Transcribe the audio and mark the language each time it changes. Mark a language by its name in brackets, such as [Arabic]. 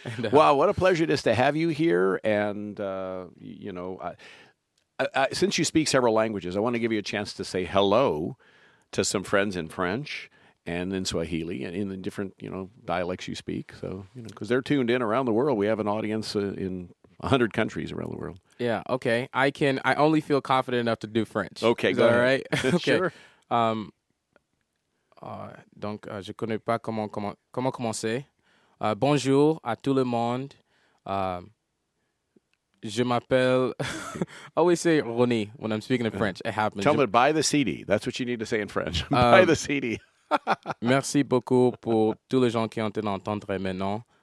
[English] Wow, what a pleasure it is to have you here. And, you know, I, since you speak several languages, I want to give you a chance to say hello to some friends in French and in Swahili and in the different, you know, dialects you speak. So, you know, because they're tuned in around the world. We have an audience in 100 countries around the world. Yeah, okay. I only feel confident enough to do French. Okay, is go that ahead. All right? Okay. Sure. [French] Donc, je ne connais pas comment commencer. Bonjour à tout le monde. Je m'appelle... [English] I always say Ronnie when I'm speaking in French. It happens. Tell me, buy the CD. That's what you need to say in French. Buy the CD. [French] Merci beaucoup pour tous les gens qui ont été entendre maintenant.